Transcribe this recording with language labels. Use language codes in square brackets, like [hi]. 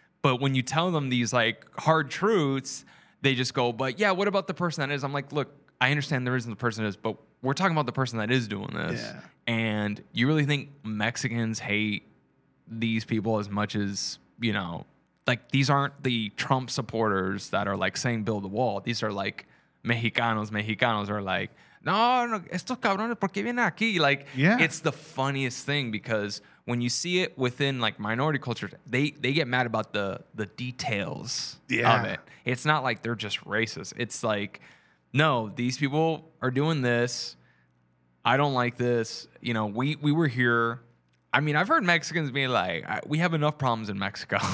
[en] But when you tell them these like hard truths, they just go, but yeah, what about the person that is? I'm like, look, I understand there isn't the person that is, but we're talking about the person that is doing this. Yeah. And you really think Mexicans hate these people as much as, you know, like these aren't the Trump supporters that are like saying build the wall. These are like Mexicanos are like, [es] no, estos cabrones, ¿por qué vienen aquí? [en] Like, yeah. It's the funniest thing because when you see it within like minority cultures, they get mad about the details of it. It's not like they're just racist. It's like, no, these people are doing this. I don't like this. You know, we were here. I mean, I've heard Mexicans be like, we have enough problems in Mexico.